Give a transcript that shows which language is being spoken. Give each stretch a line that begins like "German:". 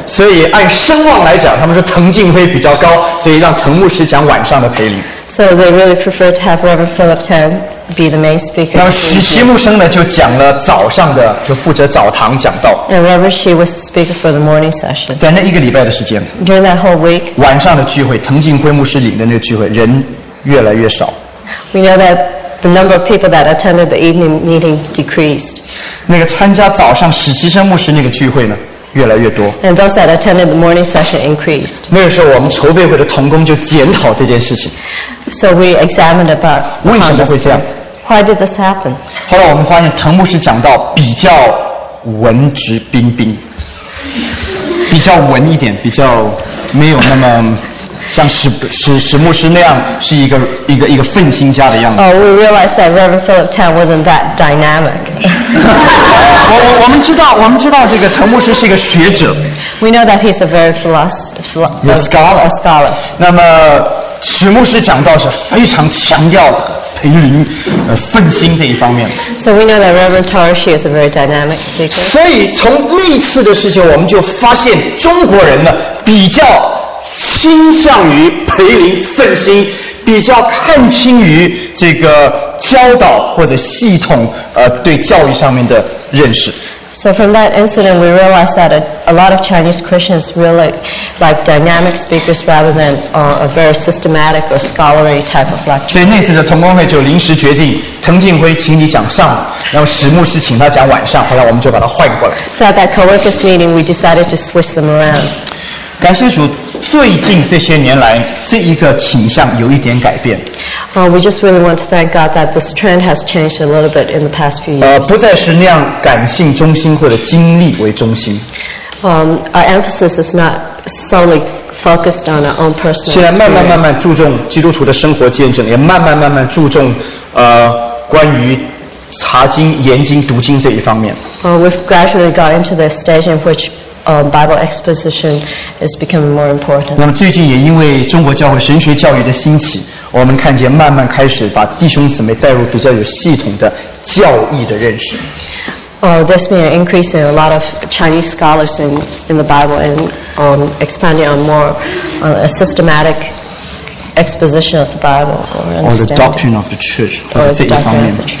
Chinese: 所以按声望来讲，他们说滕敬辉比较高，所以让滕牧师讲晚上的培灵。
English: So they really prefer to have Reverend Philip Tan. Be the main speaker.
Chinese: 然后许其牧师呢就讲了早上的，就负责早堂讲道。
English: And Reverend She was the speaker for the morning session.
Chinese: 在那一个礼拜的时间。
English: During that whole week.
Chinese: 晚上的聚会，滕敬辉牧师领的那个聚会，人越来越少。
English: We know that the number of people that attended the evening meeting decreased.
Chinese: 那个参加早上许其生牧师那个聚会呢，越来越多。
English: And those that attended the morning session increased.
Chinese: 那个时候我们筹备会的同工就检讨这件事情。
English: So we examined about.
Chinese: 为什么会这样？
English: Why did this happen?
Chinese: 后来我们发现滕牧师讲到比较文质彬彬，比较文一点，比较没有那么像史牧师那样是一个奋心家的样子。
English: Oh, we realized that Reverend Philip Tan wasn't that dynamic.
Chinese: 我们知道这个滕牧师是一个学者。
English: We know that he's a very scholar.
Chinese: 那么史牧师讲到是非常强调的。培灵，奋心这一方面。
English: So we know that Reverend Tarshi is a very dynamic speaker.
Chinese: 所以从那次的事情，我们就发现中国人呢比较倾向于培灵奋心，比较看轻于这个教导或者系统，对教育上面的认识。
English: So from that incident, we realized that a lot of Chinese Christians really like dynamic speakers rather than a very systematic or scholarly type of lecture.
Chinese: 所以那次的同工会就临时决定，滕静辉请你讲上午，然后史牧师请他讲晚上，后来我们就把他换过来。
English: So at that co-workers meeting, we decided to switch them around.
Chinese: 感谢主，最近这些年来，这一个倾向有一点改变。
English: We just really want to thank God that this trend has changed a little bit in the past few years.
Chinese: 不再是那样感性中心或者经历为中心。
English: Our emphasis is not solely focused on our own personal.
Chinese: 现在慢慢注重基督徒的生活见证，也慢慢注重关于查经、研经、读经这一方面。
English: We've gradually got into the stage in which Bible exposition is becoming more important.
Chinese: 那么最近也因为中国教会神学教育的兴起。我们看见慢慢开始把弟兄姊妹带入比较有系统的教义的认识。
English: There's been an increase in a lot of Chinese scholars in the Bible and expanding on more a systematic exposition of the Bible or the doctrine of the church
Chinese: 或者这一方面。